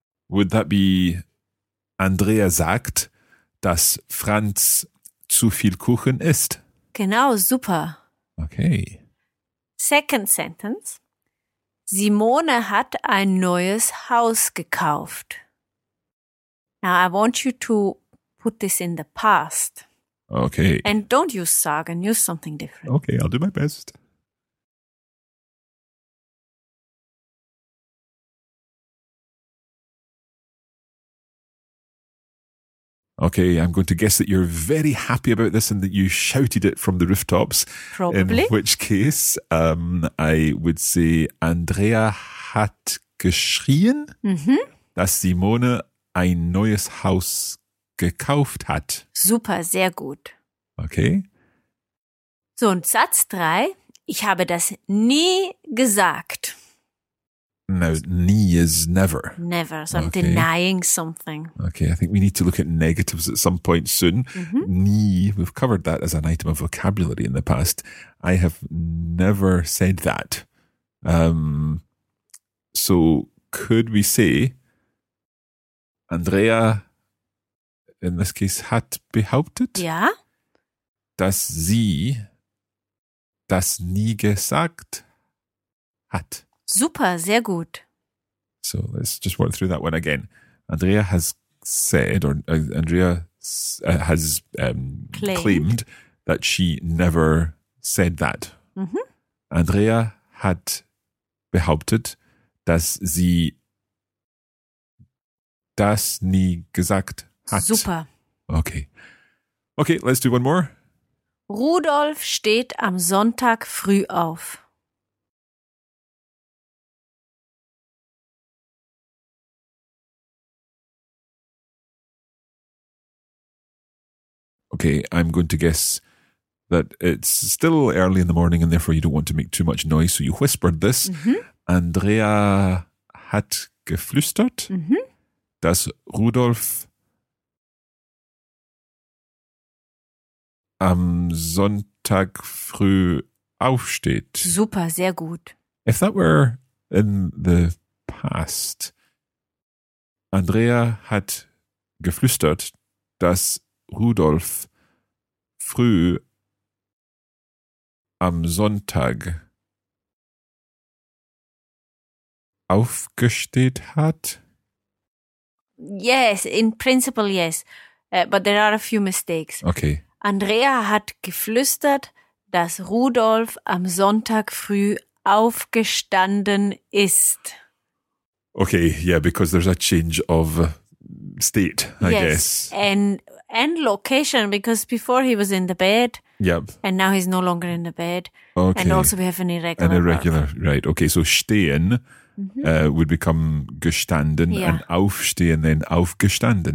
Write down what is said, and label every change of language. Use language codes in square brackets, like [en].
[en] Would that be [de] Andrea sagt, dass Franz zu viel Kuchen isst? Genau, super. [en] Okay. Second sentence. [de] Simone hat ein neues Haus gekauft. [en] Now, I want you to put this in the past. Okay. And don't use sagen, use something different. Okay, I'll do my best. Okay, I'm going to guess that you're very happy about this and that you shouted it from the rooftops. Probably. In which case, I would say [de] Andrea hat geschrien, dass Simone ein neues Haus gekauft hat. Super, sehr gut. [en] Okay. [de] So, und Satz 3. Ich habe das nie gesagt. [en] No, nie is never. Never. So I'm denying something. Okay, I think we need to look at negatives at some point soon. Mm-hmm. Nie, we've covered that as an item of vocabulary in the past. I have never said that. So could we say Andrea, in this case, [de] hat behauptet? Ja. Dass sie das nie gesagt hat. Super, sehr gut. [en] So let's just work through that one again. Andrea has said, or Andrea has claimed that she never said that. Mm-hmm. [de] Andrea hat behauptet, dass sie das nie gesagt hat. Super. [en] Okay. Okay, let's do one more. [de] Rudolf steht am Sonntag früh auf. [en] Okay, I'm going to guess that it's still early in the morning and therefore you don't want to make too much noise, so you whispered this. Mm-hmm. [de] Andrea hat geflüstert, dass Rudolf am Sonntag früh aufsteht. Super, sehr gut. [en] If that were in the past, [de] Andrea hat geflüstert, dass Rudolf früh am Sonntag aufgesteht hat? [en] Yes, in principle yes. But there are a few mistakes. Okay. [de] Andrea hat geflüstert, dass Rudolf am Sonntag früh aufgestanden ist. [en] Okay, yeah, because there's a change of state, I guess. And location, because before he was in the bed. Yep. And now he's no longer in the bed. Okay. And also we have an irregular. An irregular, birth. Right. Okay, so stehen would become gestanden, yeah. And aufstehen then aufgestanden.